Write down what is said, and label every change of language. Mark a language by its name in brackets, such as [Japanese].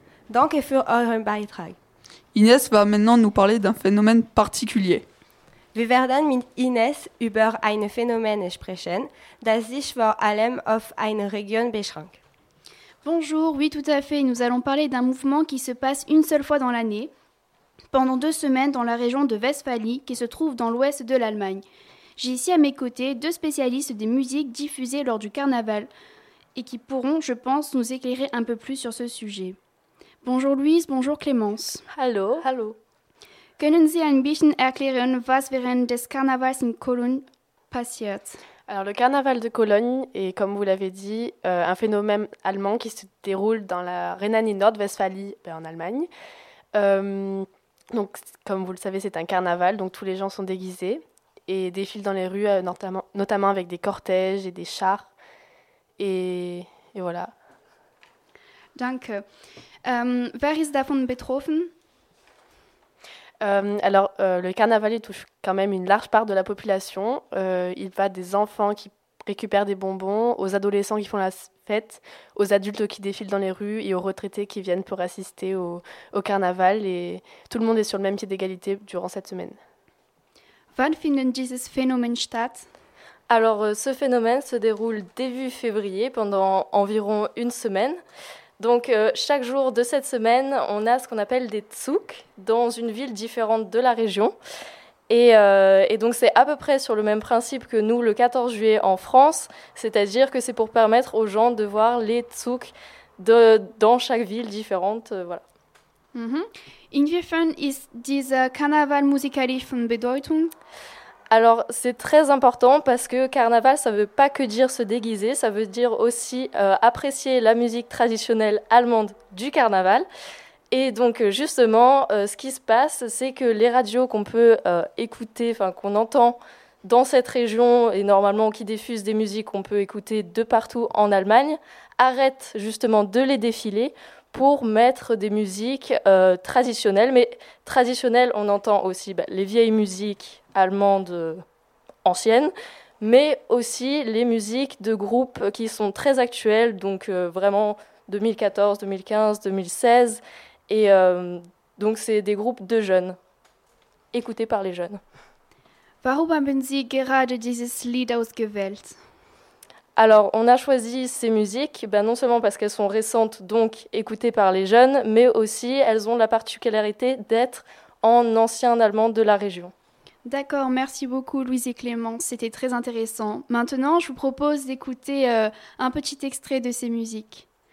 [German] Danke für euren Beitrag. [French] Inès va maintenant nous parler d'un phénomène particulier. [German] Wir werden mit Inès über ein Phänomen sprechen, das sich vor allem auf eine Region beschränkt. [French] Bonjour, oui tout à fait, nous allons parler d'un mouvement qui se passe une seule fois dans l'année, pendant 2 semaines dans la région de Westphalie, qui se trouve dans l'ouest de l'Allemagne. J'ai ici à mes côtés 2 spécialistes des musiques diffusées lors du carnaval, et qui pourront, je pense, nous éclairer un peu plus sur ce sujet. Bonjour Louise, bonjour Clémence. [German] Hallo. Hallo. Können Sie ein bisschen erklären, was während des Karnevals in Cologne passiert? [French] Alors le carnaval de Cologne est, comme vous l'avez dit, un phénomène allemand qui se déroule dans la Rhénanie-Nord-Westphalie, en Allemagne. Donc, comme vous le savez, c'est un carnaval, donc tous les gens sont déguisés et défilent dans les rues, notamment avec des cortèges et des chars. Et voilà. [German] Danke. Wer ist davon betroffen? [French] Le carnaval touche quand même une large part de la population. Il va des enfants qui récupèrent des bonbons, aux adolescents qui font la fête, aux adultes qui défilent dans les rues et aux retraités qui viennent pour assister au carnaval. Et tout le monde est sur le même pied d'égalité durant cette semaine. [German] Wann finden dieses Phänomen statt? [French] Alors, ce phénomène se déroule début février, pendant environ une semaine. Donc, chaque jour de cette semaine, on a ce qu'on appelle des Zugs dans une ville différente de la région. Et donc, c'est à peu près sur le même principe que nous, le 14 juillet en France. C'est-à-dire que c'est pour permettre aux gens de voir les Zugs dans chaque ville différente. Voilà. Mm-hmm. [German] Inwiefern ist dieser Karneval musikalisch von Bedeutung? [French] Alors, c'est très important parce que carnaval, ça ne veut pas que dire se déguiser, ça veut dire aussi apprécier la musique traditionnelle allemande du carnaval. Et donc, justement, ce qui se passe, c'est que les radios qu'on peut écouter, enfin, qu'on entend dans cette région et normalement qui diffusent des musiques qu'on peut écouter de partout en Allemagne, arrêtent justement de les défiler pour mettre des musiques traditionnelles. Mais traditionnelles, on entend aussi les vieilles musiques allemandes anciennes, mais aussi les musiques de groupes qui sont très actuels, donc vraiment 2014, 2015, 2016. Et donc, c'est des groupes de jeunes, écoutés par les jeunes. [German] Warum haben Sie gerade dieses Lied ausgewählt? [French] Alors, on a choisi ces musiques, non seulement parce qu'elles sont récentes, donc écoutées par les jeunes, mais aussi elles ont la particularité d'être en ancien allemand de la région. D'accord, merci beaucoup Louise et Clément, c'était très intéressant. Maintenant, je vous propose d'écouter un petit extrait de ces musiques.